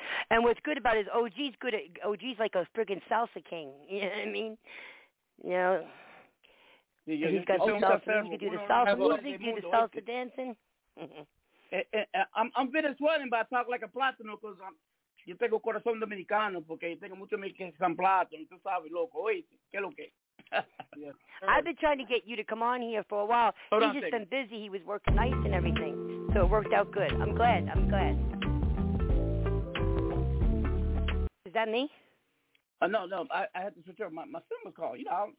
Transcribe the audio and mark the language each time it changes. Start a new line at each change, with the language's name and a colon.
English: And what's good about it is OG's like a friggin' salsa king. You know what I mean? You know? Yeah, he's got some salsa. You can do the salsa music. You can do the salsa dancing. I'm Venezuelan, but I talk like a plátano because I'm...
Spanish: Yo tengo corazón dominicano porque tengo muchos mexicanos que son plátanos. Tú sabes, loco. Oye, ¿qué lo que?
English: Yeah. I've been trying to get you to come on here for a while. Hold He's just been busy. He was working nights and everything. So it worked out good. I'm glad. Is that me? No. I had to switch over. My son was calling. You know,